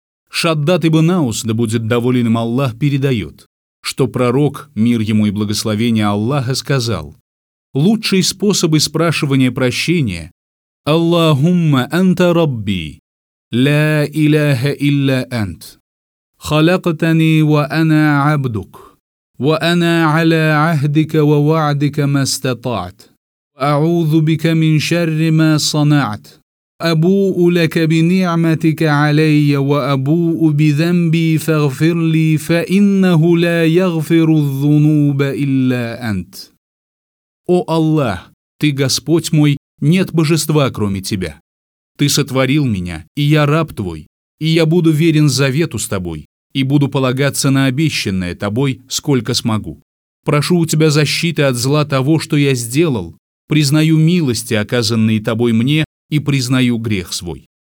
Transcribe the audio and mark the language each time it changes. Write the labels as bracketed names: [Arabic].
[Russian] Шаддат ибн Аус, да будет доволен им Аллах, передает, что пророк, мир ему и благословение Аллаха, сказал: «Лучший способ испрашивания прощения – [Arabic] Аллахумма анта Рабби, ла иляха илля ант, халактани ва ана абдук, ва ана аля ахдика ва ваадика ма статаат». أعوذ بك من شر ما صنعت أبوء لك بنعمتك علي وأبوء بذنبي فاغفر لي فإنه لا يغفر الذنوب إلا أنت. [Russian] О Аллах, Ты Господь мой, нет божества кроме Тебя. Ты сотворил меня, и я раб Твой, и я буду верен завету с Тобой, и буду полагаться на обещанное Тобой, сколько смогу. Прошу у Тебя защиты от зла того, что я сделал, признаю милости, оказанные Тобой мне, и признаю грех свой.